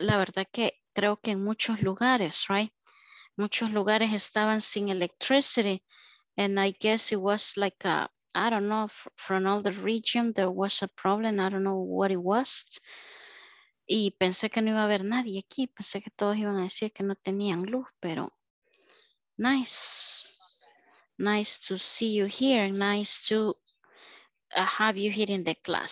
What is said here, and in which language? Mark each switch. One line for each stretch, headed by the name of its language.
Spanish: La verdad que creo que en muchos lugares,
English: right?
Spanish: Muchos lugares estaban sin electricity.
English: And I guess it was like a I don't know, from all the region, there was a problem. I don't know what it was.
Spanish: Y pensé que no iba a haber nadie aquí. Pensé que todos iban a decir que no tenían luz, pero
English: nice. Nice to see you here. Nice to have you here in the class.